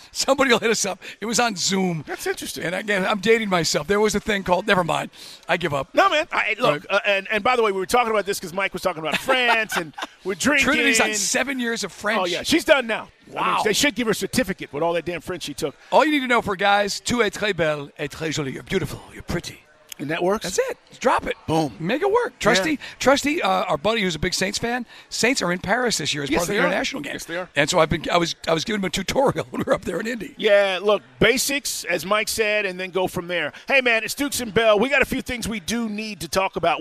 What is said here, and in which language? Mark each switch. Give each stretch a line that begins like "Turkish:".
English: Somebody will hit us up. It was on Zoom. That's interesting. And again, I'm dating myself. There was a thing called, never mind. I give up. No, man. Look, by the way, we were talking about this because Mike was talking about France and we're drinking. Trinity's on 7 years of French. Oh, yeah. She's done now. Wow. I mean, they should give her a certificate with all that damn French she took. All you need to know for guys,
French: tu es très belle et très jolie.
English: You're beautiful. You're pretty. And that works? That's it. Just drop it. Boom. Make it work. Trusty, our buddy who's a big Saints fan, Saints are in Paris this year as part of the international game. Yes, they are. And so I was giving him a tutorial when we were up there in Indy. Yeah, look, basics, as Mike said, and then go from there. Hey, man, it's Dukes and Bell. We got a few things we do need to talk about.